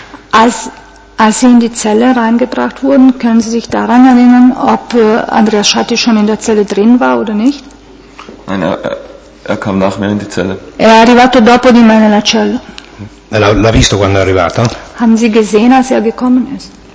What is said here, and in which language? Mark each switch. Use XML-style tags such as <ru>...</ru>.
<de>Als Sie in die Zelle reingebracht wurden, können Sie sich daran erinnern, ob Andreas Schatti schon in der Zelle drin war oder nicht? Nein, er kam nach mir in die Zelle.</de> <it>È arrivato dopo di me nella cella. L'ha visto quando è arrivato?</it> <de>Haben Sie gesehen, als er gekommen ist?</de>